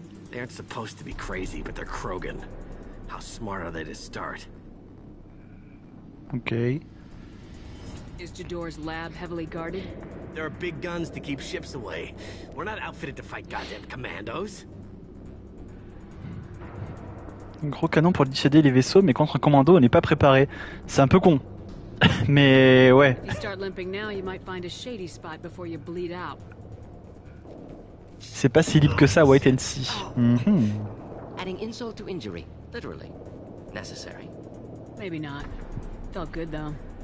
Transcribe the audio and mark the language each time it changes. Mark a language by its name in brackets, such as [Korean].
[English] They aren't supposed to be crazy, but they're Krogan. How smart are they to start? Ok. Is Jador's lab heavily guarded? There are big guns to keep ships away. We're not outfitted to fight goddamn commandos. [French] Un gros canon pour dissuader les vaisseaux, mais contre un commando, on n'est pas préparé. C'est un peu con. Mais ouais. [English] If you start limping now, you might find a shady spot before you bleed out. [French] C'est pas si libre que ça, [English] wait and see. Adding insult to injury, literally. Necessary. Maybe not. Felt good though.